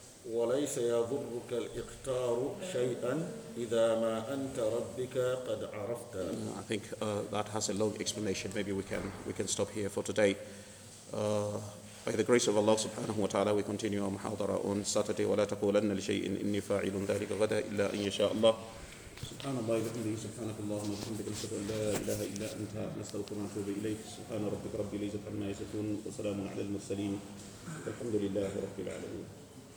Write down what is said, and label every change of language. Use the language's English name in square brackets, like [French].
[Arabic] وليس يضرك الاقتار شيئا اذا ما انت ربك قد عرفت. [English] I think that has a long explanation. Maybe we can stop here for today. By the grace of Allah subhanahu wa ta'ala, we continue our muhadara on Saturday. [Arabic] ولا تقولن لشيء اني فاعل ذلك غدا الا ان يشاء الله. سبحان الله وبحمده سبحانك اللهم وبحمدك نشهد ان لا اله الا انت نستغفرك ونتوب اليك. سبحان ربك رب العزه عما يصفون وسلام على المرسلين. الحمد لله رب العالمين.